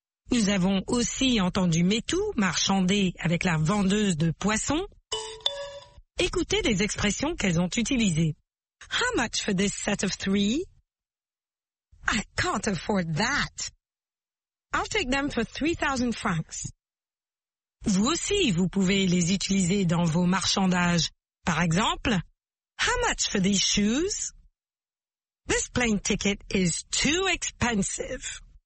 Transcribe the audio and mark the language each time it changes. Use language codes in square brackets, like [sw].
[fr] Nous avons aussi entendu Metou marchander avec la vendeuse de poissons. Écoutez les expressions qu'elles ont utilisées. [en] How much for this set of three? I can't afford that. I'll take them for 3,000 francs. [fr] Vous aussi, vous pouvez les utiliser dans vos marchandages. Par exemple, [en] how much for these shoes? This plane ticket is too expensive.